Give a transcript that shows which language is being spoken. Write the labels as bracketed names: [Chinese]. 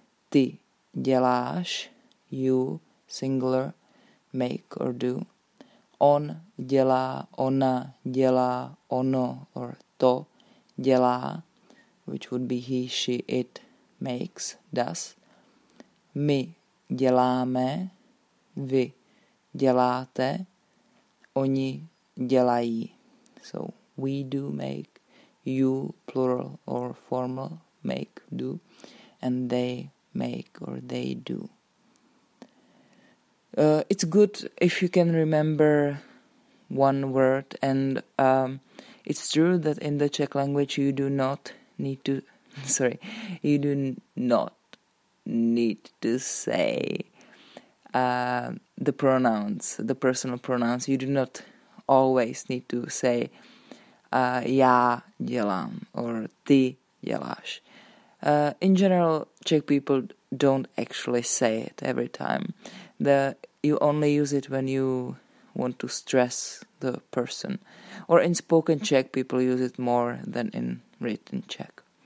[Czech] Ty děláš, [English] you, singular, make or do. [Czech] On dělá, ona dělá, ono, [English] or [Czech] to dělá, [English] which would be he, she, it, makes, does. [Czech] My děláme, vy děláte, oni dělají. [English] So we do make, you, plural or formal, make, do, and they make or they do. It's good if you can remember one word, and it's true that in the Czech language you do not need to say the pronouns, the personal pronouns. You do not always need to say [Czech] já dělám [English] or [Czech] ty děláš. [English] In general, Czech people don't actually say it every time. You only use it when you want to stress the person. Or in spoken Czech, people use it more than in written Czech.